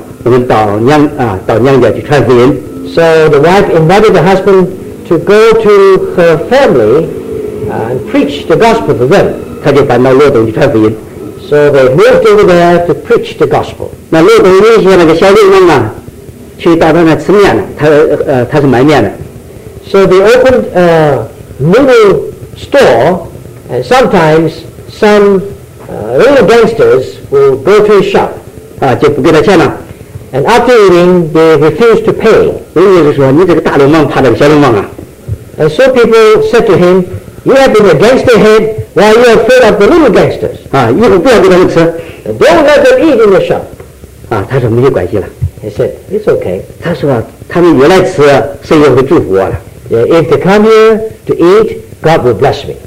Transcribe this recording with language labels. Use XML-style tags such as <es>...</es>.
<zh>他给他的先生讲，我们到娘家去传福音。</zh> <en>So the wife invited the husband to go to her family and preach the gospel to them.</en> <zh>他就搬到罗东去传福音。</zh> <en>So they moved over there to preach the gospel.</en> <zh>那罗东那些那个小流氓啊，去到他那吃面了，他是卖面的。</zh> <en>So they opened a noodle store, and sometimes some little gangsters will go to his shop.</en> <zh>就不给他钱了。</zh> <en>And after eating, they refused to pay.</en> <zh>意思是说，你这个大流氓怕那个小流氓啊。</zh> <en>And so people said to him, you have been a gangster head, why you are afraid of the little gangsters?</en> <zh>以后不要给他们吃。</zh> <en>Don't let them eat in the shop.</en> <zh>他说没有关系了。</zh> <en>He said, it's okay.</en> <zh>他说，他们越来吃，神也会祝福我了。</zh> <en>Yeah, if they come here to eat, God will bless me.</en>